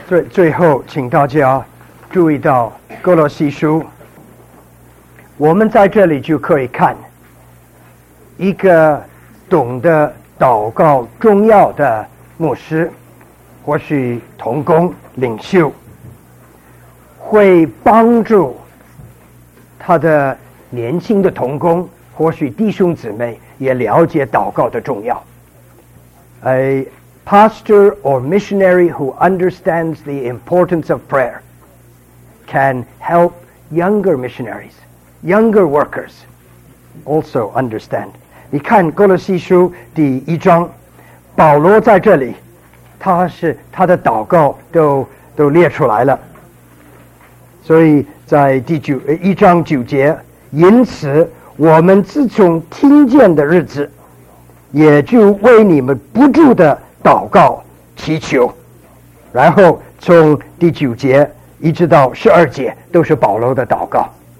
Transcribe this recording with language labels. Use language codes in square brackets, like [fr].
[zh] 最后请大家注意到哥罗西书，我们在这里就可以看一个懂得祷告重要的牧师或是同工领袖，会帮助他的年轻的同工或是弟兄姊妹也了解祷告的重要。 [en] Pastor or missionary who understands the importance of prayer can help younger missionaries, younger workers also understand. [zh] 你看哥罗西书第一章，保罗在这里，他的祷告都列出来了。所以在一章九节，因此我们自从听见的日子，也就为你们不住的祷告祈求，然后从第九节一直到十二节都是保罗的祷告。